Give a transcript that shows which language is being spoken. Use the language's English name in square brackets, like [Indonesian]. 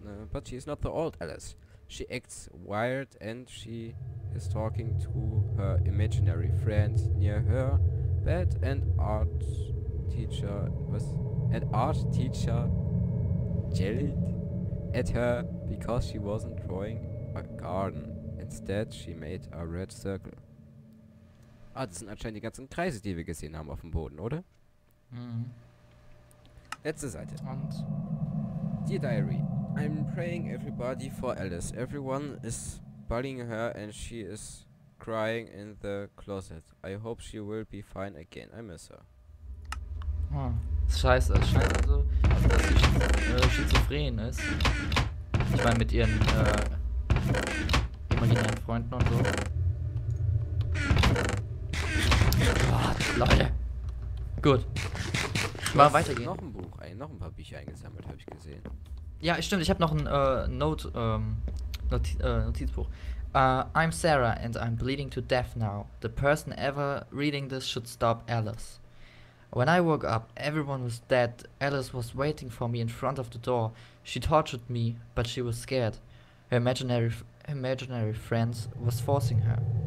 [English] but she is not the old Alice. She acts wired and she is talking to her imaginary friend near her bed and art teacher jellied at her because she wasn't drawing a garden. Instead she made a red circle. [German] Ah, das sind anscheinend die ganzen Kreise, die wir gesehen haben auf dem Boden, oder? Letzte Seite. Und? [English] Dear Diary, I'm praying everybody for Alice. Everyone is bullying her and she is crying in the closet. I hope she will be fine again. I miss her. [German] Oh, scheiße. Es scheint also, dass sie schizophren ist. Ich meine, mit ihren imaginären Freunden und so. Warte, Leute. Gut. Mal weitergehen. Noch ein Buch, noch ein paar Bücher eingesammelt, habe ich gesehen. Ja, stimmt, ich habe noch ein Notizbuch. [English] I'm Sarah and I'm bleeding to death now. The person ever reading this should stop Alice. When I woke up, everyone was dead. Alice was waiting for me in front of the door. She tortured me, but she was scared. Her imaginary friend was forcing her.